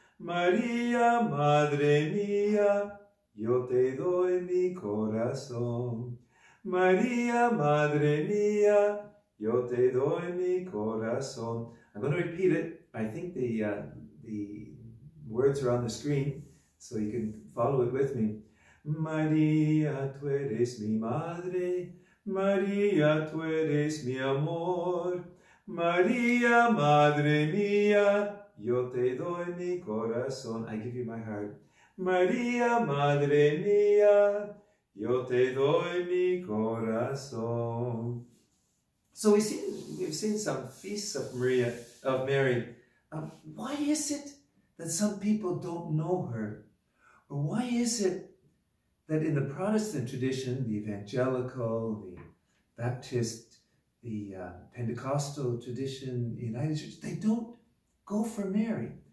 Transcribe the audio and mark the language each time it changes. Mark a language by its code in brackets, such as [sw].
[es] Maria, madre mía, yo te doy mi corazón. Maria, madre mía, yo te doy mi corazón. [en] I'm going to repeat it. I think the words are on the screen, so you can follow it with me. [es] María, tú eres mi madre. María, tú eres mi amor. María, madre mía, yo te doy mi corazón. I give you my heart. María, madre mía, yo te doy mi corazón. [en] So we've seen some feasts of Maria, of Mary. Why is it that some people don't know her? Or why is it that in the Protestant tradition, the evangelical, the Baptist, the Pentecostal tradition, the United Church, they don't go for Mary.